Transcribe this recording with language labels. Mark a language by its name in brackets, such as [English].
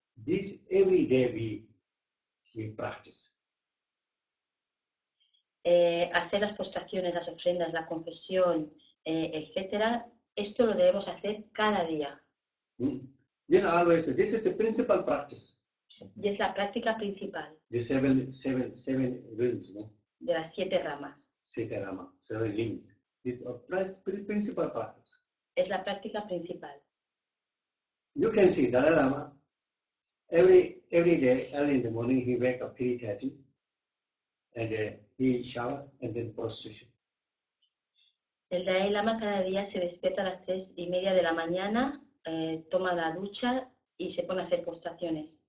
[English] This every day we practice. [Spanish] Hacer las postraciones, las ofrendas, la confesión, etcétera. Esto lo debemos hacer cada día. [English] This is the principal practice. [Spanish] Y es la práctica principal. [English] The seven rooms, no? [Spanish] De las siete ramas. Siete ramas, [English] seven rings. It's a principal practice. [Spanish] Es la práctica principal. [English] You can see Dalai Lama every day early in the morning he wake up 3:30 and he shower and then prostration. [Spanish] El Dalai Lama cada día se despierta a las 3:30 de la mañana, toma la ducha y se pone a hacer postraciones.